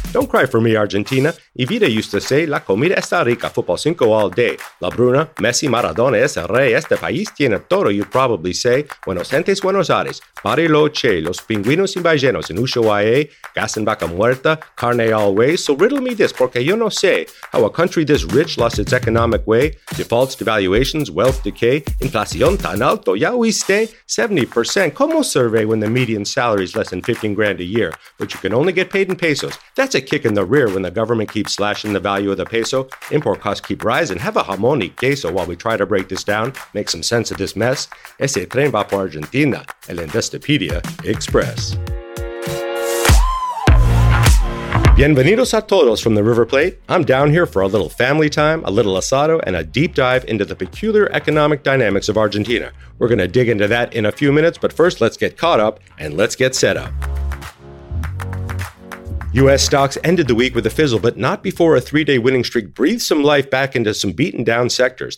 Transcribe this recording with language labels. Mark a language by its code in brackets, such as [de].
[en] Don't cry for me, Argentina. Y Vida used to say, [es] la comida está rica, [en] football 5 all day. [es] La Bruna, Messi, Maradona es el rey. Este país tiene todo, [en] you'd probably say. [es] Buenos Aires, Buenos Aires. Bariloche, los pingüinos y ballenos en Ushuaia, gas en vaca muerta, carne always. [en] So riddle me this, [es] porque yo no sé [en] how a country this rich lost its economic way. Defaults, devaluations, wealth decay, [es] inflación tan alto, ya oíste? [en] 70%. ¿Cómo survey when the median salary is less than 15 grand a year, but you can only get paid in pesos? That's a kick in the rear when the government keeps slashing the value of the peso. Import costs keep rising. Have a jamón y queso while we try to break this down, make some sense of this mess. [es] Ese tren va por Argentina, el Investopedia Express. Bienvenidos a todos [en] from the River Plate. I'm down here for a little family time, a little asado, and a deep dive into the peculiar economic dynamics of Argentina. We're going to dig into that in a few minutes, but first let's get caught up and let's get set up. U.S. stocks ended the week with a fizzle, but not before a three-day winning streak breathed some life back into some beaten-down sectors.